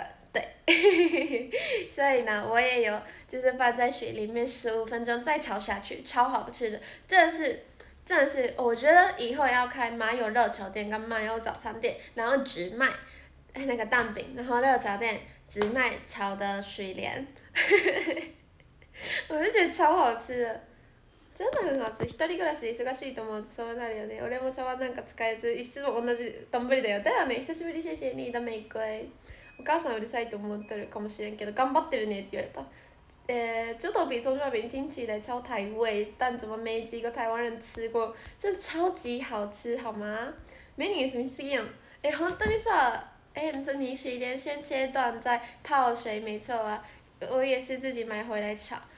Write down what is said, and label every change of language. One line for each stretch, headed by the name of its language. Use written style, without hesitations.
Chinese: 对，所以呢，我也有，就是放在水里面15分钟再炒下去，超好吃的，真的是，我觉得以后要开麻油热炒店跟麻油早餐店，然后只卖那个蛋饼，然后热炒店只卖炒的水莲，我就觉得超好吃的，真的很好吃。
Japanese: 一人暮らし忙しいと思うとそうなるよね。俺も茶碗なんか使えず一度同じ丼だよ。だよね。久しぶりシェシェにダメ一回。お母さんうるさいと思ってるかもしれんけど頑張ってるねって言われた。
Chinese: 猪头皮、葱抓饼听起来超台味，但怎么没几个台湾人吃过？真超级好吃，好吗？美女什么意思呀？
Japanese: 本当にさ、
Chinese: 这泥水莲先切断再泡水，没错啊，我也是自己买回来炒。